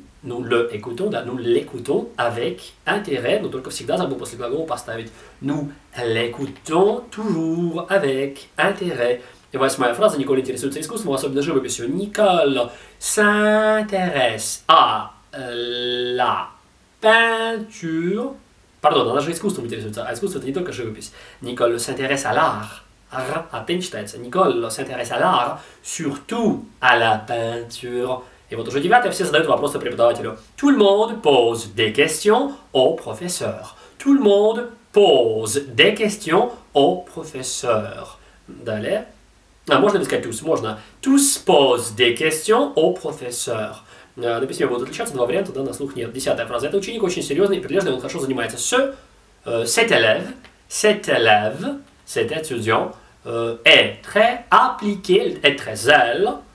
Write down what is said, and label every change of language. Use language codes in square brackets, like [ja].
[fr] Nous l'écoutons avec intérêt, [ru] но только всегда забыл после глагола поставить. [fr] Nous l'écoutons toujours avec intérêt. [ru] И восьмая фраза. Николь интересуется искусством, особенно живописью. [fr] Николь s'intéresse à la peinture. [ru] Pardon, она же искусством интересуется, а искусство это не только живопись. [fr] Николь s'intéresse à l'art. [ru] А пен читается. [fr] Николь s'intéresse à l'art, surtout à la peinture. [ru] Et вот уже девятое, все задают вопросы преподавателю. [fr] Tout le monde pose des questions au professeur. Tout le monde pose des questions au professeur. [ru] Далее. А можно ли сказать tous? Можно. [fr] Tous posent des questions au professeur. [ru] На письме будут отличаться два варианта, да, на слух нет. Десятая фраза. Это ученик очень серьезный и прилежный, он хорошо занимается. [fr] Cet étudiant est très appliqué, est très zèle.